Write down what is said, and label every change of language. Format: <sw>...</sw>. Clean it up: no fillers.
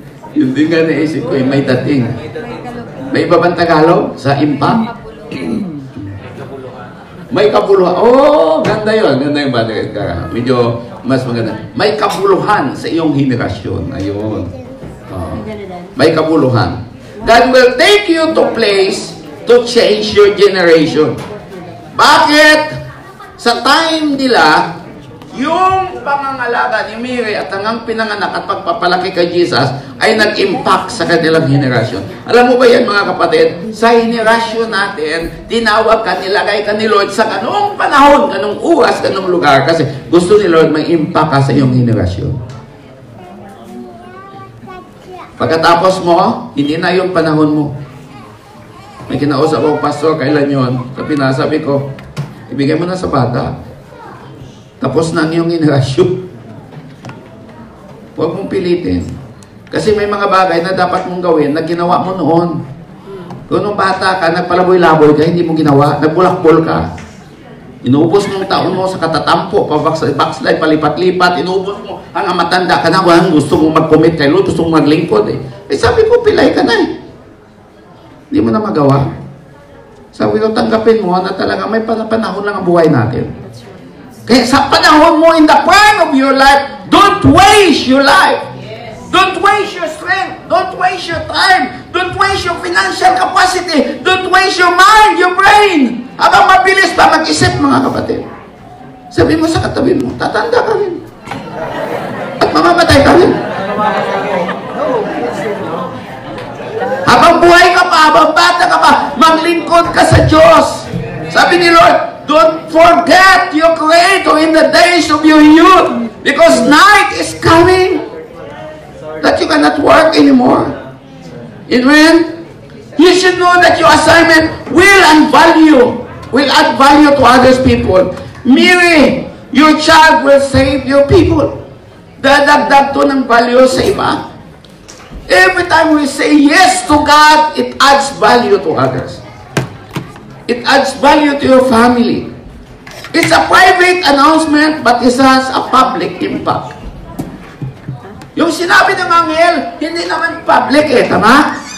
<tl>Yun din nga naisip ko, may dating. May iba bang Tagalog sa impact? May kabuluhan. Oh, ganda yun. Ganda yung bagay ka. Medyo mas maganda. May kabuluhan sa iyong henerasyon. Ayun. May kabuluhan.</tl> <en>God will take you to place to change your generation.</en> <tl>Bakit? Sa time nila, yung pangangalaga ni Mary at hanggang pinanganak at pagpapalaki kay Jesus ay nag-impact sa kanilang generation. Alam mo ba yan, mga kapatid? Sa generation natin, tinawag ka, nilagay ka ni Lord sa kanong panahon, kanong uras, kanong lugar kasi gusto ni Lord mag-impact ka sa iyong generation. Pagkatapos mo, hindi na yung panahon mo. May kinausap ako, Pastor, kailan yun? Sabi na, sabi ko, ibigay mo na sa bata. Tapos na ang iyong inerasyon. Huwag mong pilitin. Kasi may mga bagay na dapat mong gawin na ginawa mo noon. Kung nung bata ka, nagpalaboy-laboy ka, hindi mo ginawa, nagbulakbol ka. Inuubos mo ang taon mo sa katatampo, pabakslay, palipat-lipat, inuubos mo. Ang matanda ka na, walang gusto mong mag-commit kay Lord, gusto mong maglingkod eh. Eh sabi ko, pilay ka na eh. Hindi mo na magawa. Sabi ko, tanggapin mo na talaga may panahon lang ang buhay natin. Kaya sa panahon mo,</tl> <en>in the prime of your life, don't waste your life. Don't waste your strength. Don't waste your time. Don't waste your financial capacity. Don't waste your mind, your brain.</en> <tl>Habang mabilis pa mag-isip, mga kapatid. Sabi mo sa katabi mo, tatanda ka rin. At mamamatay ka rin. Habang buhay ka pa, habang bata ka pa, maglingkod ka sa Diyos. Sabi ni Lord,</tl> <en>don't forget your Creator in the days of your youth. Because night is coming that you cannot work anymore. Amen? You should know that your assignment will add value to other people. Mary, your child will save your people.</en> <tl>Dadagdag to ng value sa iba.</tl> <en>Every time we say yes to God, it adds value to others. It adds value to your family. It's a private announcement, but it has a public impact.</en> <tl>Yung sinabi ng Angel, hindi naman public eh, tama?</tl>